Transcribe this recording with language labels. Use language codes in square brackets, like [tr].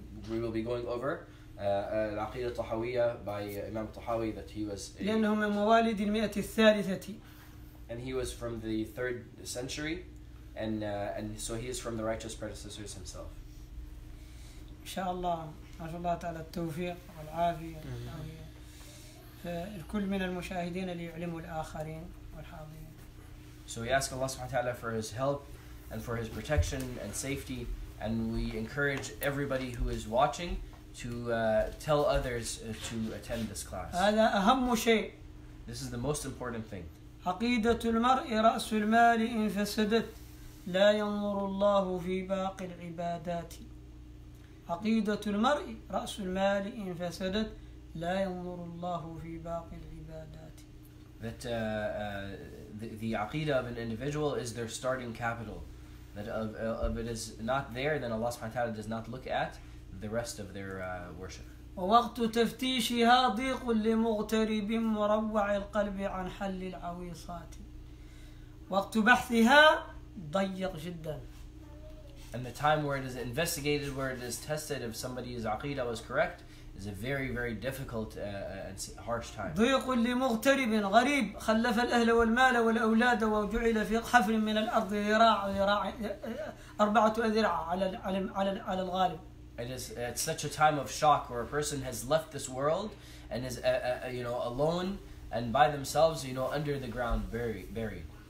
[en] We will be going over. العقيدة الطحاوية by Imam Tahawi, that he was [ar] لأنه من موالد المئة الثالثة [en] and he was from the third century and so he is from the righteous predecessors himself. [ar] إن شاء الله أرجو الله تعالى التوفيق والعافية فالكل من المشاهدين ليعلموا الآخرين والحاضرين. [en] So we ask Allah [ar] سبحانه وتعالى [en] for his help and for his protection and safety, and we encourage everybody who is watching to tell others to attend this class. [ar] هذا أهم شيء. [en] This is the most important thing. [ar] عقيدة المرء رأس المال إن فسدت لا ينظر الله في باقي العبادات. عقيدة المرء رأس المال إن فسدت لا ينظر الله في باقي العبادات. [en] That the عقيدة of an individual is their starting capital. That if it is not there, then Allah [ar] سبحانه وتعالى [en] does not look at the rest of their worship. [ar] ووقت تفتيشها ضيق لمغترب مروع القلب عن حل العويصات. وقت بحثها ضيق جدا. [en] And the time where it is investigated, where it is tested if somebody's aqidah was correct, is a very, very difficult and harsh time. [ar] ضيق لمغترب غريب خلف الأهل والمال والأولاد وجعل في حفر من الأرض ذراع أربعة أذرع على الغالب. [en] It's such a time of shock where a person has left this world and is alone and by themselves, you know, under the ground, buried.